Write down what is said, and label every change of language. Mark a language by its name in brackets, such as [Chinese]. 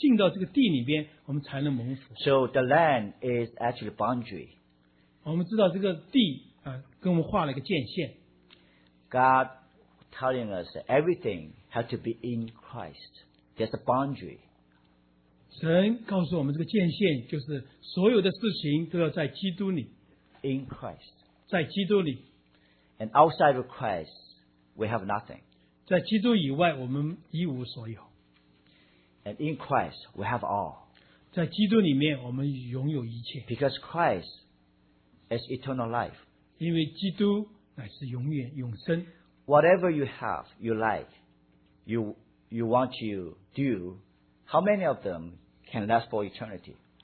[Chinese] 这个关于这个地还有一件事很重要，就是我们必须要进到这个地里边，我们才能蒙福。 [English] So the land is actually boundary. [Chinese] 我们知道这个地跟我们画了一个界限。 [English] God telling us that everything has to be in Christ. There's a boundary. [Chinese] 神告诉我们这个界限就是所有的事情都要在基督里。 [English] In Christ. [Chinese] 在基督里。 [English] And outside of Christ, we have nothing. [Chinese] 在基督以外我们一无所有。 [English] And in Christ, we have all. [Chinese] 在基督里面我们拥有一切。 [English] Because Christ as eternal life. [Chinese] 因为基督乃是永远永生。 [English] Whatever you have, you like, you want to do, how many of them can last for eternity?